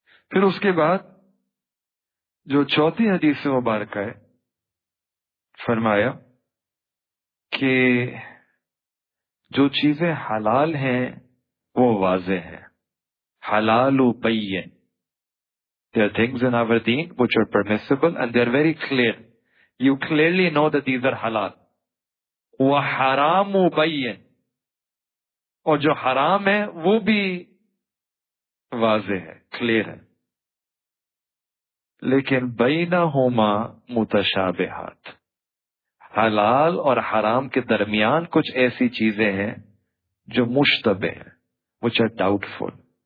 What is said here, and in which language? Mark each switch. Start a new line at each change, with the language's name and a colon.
Urdu: پھر اس کے بعد جو چوتھی حدیث مبارکہ ہے، فرمایا کہ جو چیزیں حلال ہیں وہ واضح ہیں،
Arabic: حلال و بین.
English: There are things in our deen which are permissible and they are very clear. You clearly know that these are halal.
Arabic: وحرام و بین،
Urdu: اور جو حرام ہے وہ بھی واضح ہے، کلیئر ہے. لیکن
Arabic: بینہما متشابہات،
Urdu: حلال اور حرام کے درمیان کچھ ایسی چیزیں ہیں جو مشتبہ ہیں،
English: Which are doubt full.